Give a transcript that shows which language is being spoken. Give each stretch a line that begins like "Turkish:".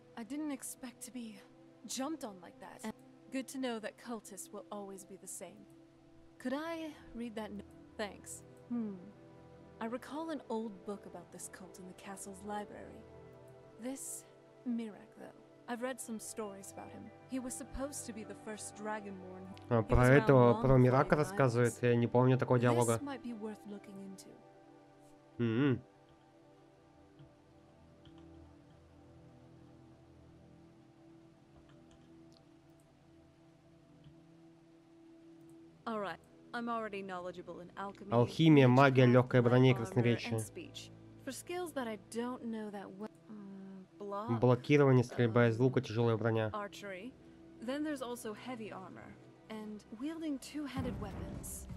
English: I didn't expect to be jumped on like that. And good to know that cultists will always be the same. Could I read that note? Thanks. I recall an old book about this cult in the castle's library. This Mirak, though. I've read some stories about him. He was supposed to be the first dragonborn.
Russian: Про этого, про Мирака рассказывает. Я не помню такого диалога.
English: This might be worth looking into. All right. I'm already knowledgeable in alchemy.
Russian: Алхимия, магия, лёгкая броня и красноречие.
English: For skills that I don't know that well.
Russian: Блокирование, стрельба из лука, тяжелая броня.
English: Archery. Then there's also heavy armor and wielding two-headed weapons.